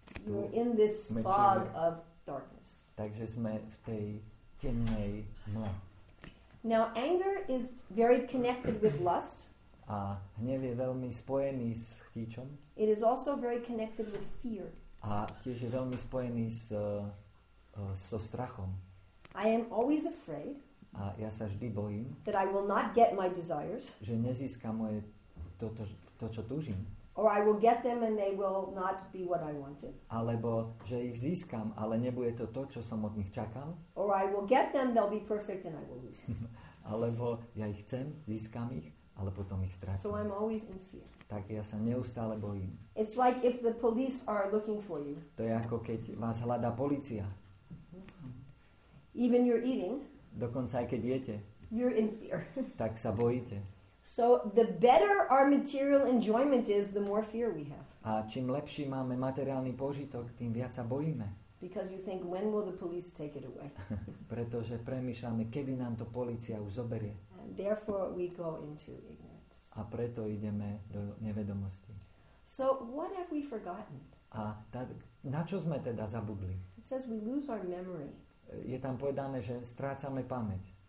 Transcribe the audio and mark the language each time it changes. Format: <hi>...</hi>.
<en>You're in this fog of darkness.</en> <sk>Takže sme v tej temnej mle.</sk> <en>Now anger is very connected with lust.</en> <sk>A hnev je veľmi spojený s chtíčom.</sk> <en>It is also very connected with fear.</en> <sk>A tiež je veľmi spojený s so strachom.</sk> <en>I am always afraid.</en> <sk>A ja sa vždy bojím.</sk> <en>That I will not get my desires.</en> <sk>Že nezískam moje to čo túžim.</sk> <en>Or I will get them and they will not be what I wanted.</en> <sk>Alebo že ich získam, ale nebude to, čo som od nich čakal.</sk> <en>Or I will get them, they'll be perfect and I will lose them.</en> <sk>Alebo ja ich chcem, získam ich, ale potom ich stratím.</sk> <en>So I'm always in fear.</en> <sk>Tak ja sa neustále bojím.</sk> <en>It's like if the police are looking for you.</en> <sk>To je ako keď vás hľadá polícia.</sk> <en>Even you're eating.</en> <sk>Dokonca aj keď jete.</sk> <en>You're in fear.</en> <sk>Tak sa bojíte.</sk> <en>So the better our material enjoyment is, the more fear we have.</en> <sk>A čím lepší máme materiálny požitok, tým viac sa bojíme.</sk> <en>Because you think, when will the police take it away?</en> <sk>Pretože premýšľame, kedy nám to polícia už zoberie.</sk> <en>And therefore we go into ignorance.</en> <sk>A preto ideme do nevedomosti.</sk> <en>So what have we forgotten?</en> <sk>A na čo sme teda zabudli?</sk> <en>It says we lose our memory.</en> <sk>Je tam povedané, že strácame pamäť.</sk>